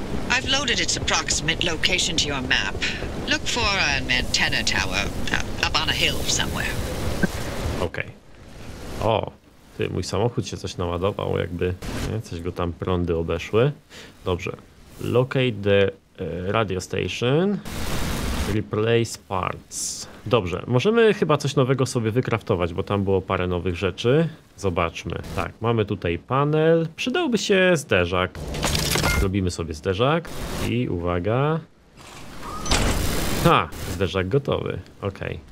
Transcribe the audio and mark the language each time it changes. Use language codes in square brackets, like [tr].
[en] I've loaded its approximate location to your map. Look for an antenna tower up on a hill somewhere. [pl] Okej. Okay. O, ty, mój samochód się coś naładował, jakby nie, coś go tam prądy obeszły. Dobrze. [en] Locate the radio station. Replace parts. [pl] Dobrze, możemy chyba coś nowego sobie wykraftować, bo tam było parę nowych rzeczy. Zobaczmy. Tak, mamy tutaj panel. Przydałby się zderzak. Robimy sobie zderzak. I uwaga. Ha! Zderzak gotowy. Okej. Okay.